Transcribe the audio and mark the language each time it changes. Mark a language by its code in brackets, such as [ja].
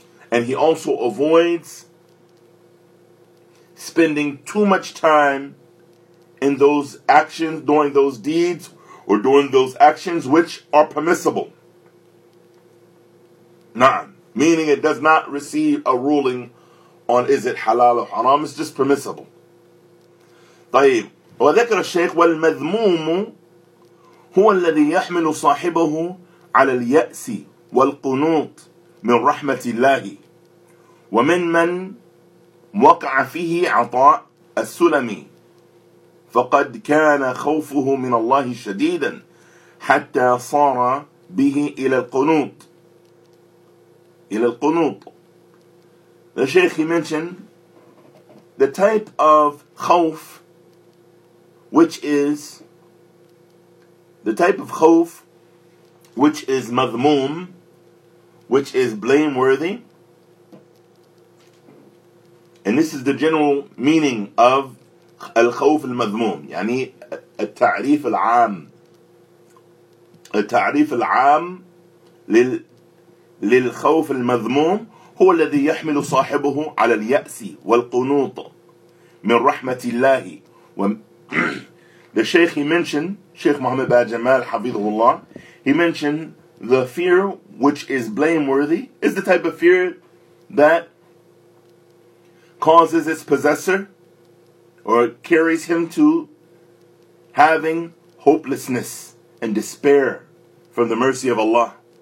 [en] And he also avoids spending too much time in those actions, doing those deeds, or doing those actions which are permissible. Na'am. Meaning it does not receive a ruling on is it halal or haram, it's just permissible. [ar] طيب. وذكر الشيخ والمذموم هو الذي يحمل صاحبه على اليأس والقنوط من رحمة الله ومن من وقع فيه عطاء السلمي فقد كان خوفه من الله شديدا حتى صار به إلى القنوط. إلى القنوط. [en] The Shaykh, he mentioned the type of khawf, which is the type of khawf which is madhmum, which is blameworthy. And this is the general meaning of [ar] الخوف المذموم, يعني التعريف العام, التعريف العام للخوف المذموم هو الذي يحمل صاحبه على اليأس والقنوط من رحمة الله. [en] The Shaykh, he mentioned, Shaykh Muhammad Ba Jamal [ar] حفظه الله, [en] he mentioned the fear which is blameworthy is the type of fear that causes its possessor or carries him to having hopelessness and despair from the mercy of Allah.